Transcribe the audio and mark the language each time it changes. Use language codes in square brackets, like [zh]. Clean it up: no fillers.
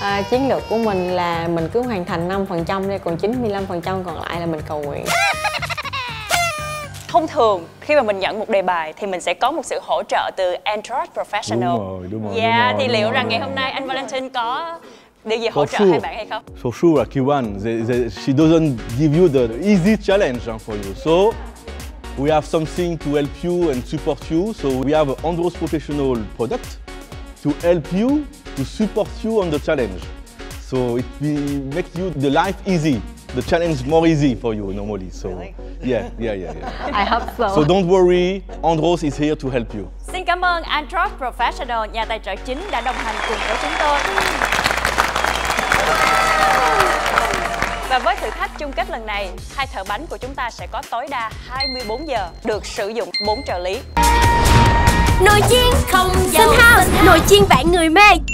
[vi] Chiến lược của mình là mình cứ hoàn thành 5% đi, còn 95% còn lại là mình cầu nguyện. Thông thường khi mà mình nhận một đề bài thì mình sẽ có một sự hỗ trợ từ Android Professional. Đúng rồi. Ngày hôm nay anh Valentin có điều gì hỗ trợ hai bạn hay không? [en] For sure, Kiwan, she doesn't give you the easy challenge for you. So we have something to help you and support you. So we have an Andros Professional product to help you, to support you on the challenge. So it makes you the life easy, the challenge more easy for you normally. So really? Yeah. I hope so. So don't worry, Andros is here to help you. [vi] Xin cảm ơn Andros Professional, nhà tài trợ chính đã đồng hành cùng với chúng tôi. Và với thử thách chung kết lần này, hai thợ bánh của chúng ta sẽ có tối đa 24 giờ được sử dụng 4 trợ lý. Nồi chiên không dầu Sun House, nồi chiên vạn người mê.